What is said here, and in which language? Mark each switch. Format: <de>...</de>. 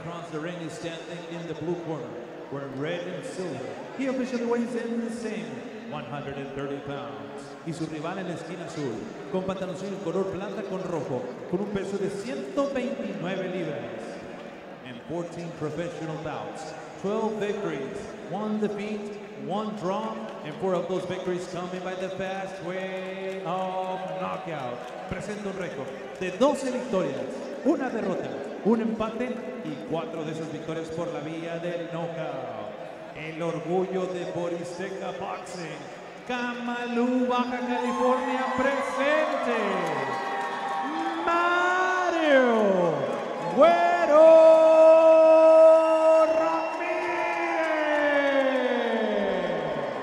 <en>The ring is standing in the blue corner, wearing red and silver. He officially weighs in the same, 130 pounds.</en> <es>Y su rival en la esquina azul, con pantaloncillo color plata con rojo, con un peso de 129 libras.</es> <en>And 14 professional bouts, 12 victories, 1 defeat, 1 draw, and 4 of those victories coming by the fast way of knockout.</en> <es>Presenta un récord de 12 victorias, 1 derrota, 1 empate, y 4 de esas victorias por la vía del knockout. El orgullo de Boriseca Boxing, Kamalu, Baja California, presente, Mario Güero Ramírez.</es>